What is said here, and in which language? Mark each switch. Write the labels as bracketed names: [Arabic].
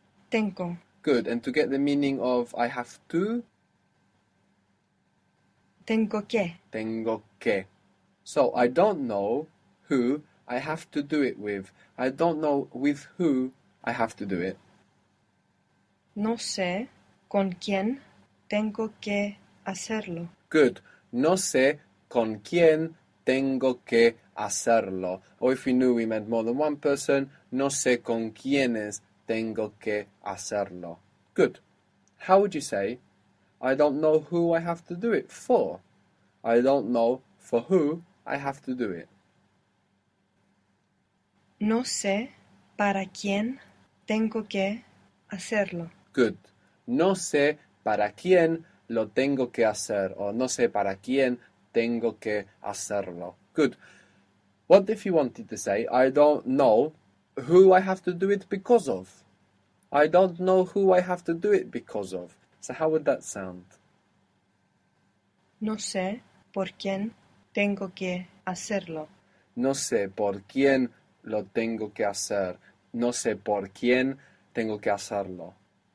[Spanish] Tengo. [English] Good. And to get the meaning of I have to? [Spanish] Tengo que. Tengo que. [English] So, I don't know who I have to do it with. I don't know with who I have to do it. [Spanish] No sé con quién tengo que hacerlo. [English] Good. [Spanish] No sé con quién tengo que hacerlo. [English] Or if we knew we meant more than one person, [Spanish] no sé con quiénes tengo que hacerlo. [English] Good. How would you say, I don't know who I have to do it for? I don't know for who I have to do it. [Spanish] No sé para quién tengo que hacerlo. [English] Good. [Spanish] No sé para quién lo tengo que hacer. Or no sé para quién tengo que hacerlo. [English] Good. What if you wanted to say, I don't know who I have to do it because of? I don't know who I have to do it because of. So how would that sound? [Spanish] No sé por quién tengo que hacerlo. No sé por quién lo tengo que hacer. No sé por quién tengo que hacerlo.